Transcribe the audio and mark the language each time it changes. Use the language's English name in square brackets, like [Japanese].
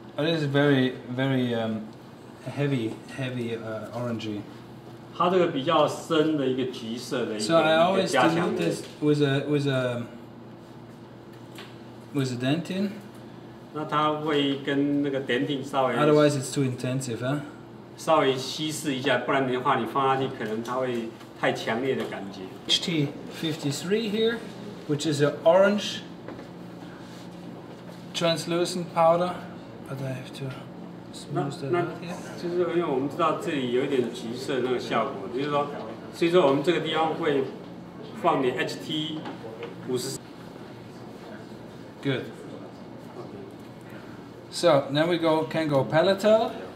[English] It is very very heavy orangey. [Chinese] 它这个比较深的一个橘色的一个加强的。 [English] So I always dilute this with a dentin. [Chinese] 那它会跟那个 dentin 稍微。 [English] Otherwise it's too intensive, huh? [Chinese] 稍微稀释一下，不然的话你放下去可能它会太强烈的感觉。 [English] HT53 here, which is an orange translucent powder, but I have to. [Chinese] 那就是因为我们知道这里有一点橘色那个效果，就是说，所以说我们这个地方会放点 HT 50。 [English] Good. So now we can go palatal.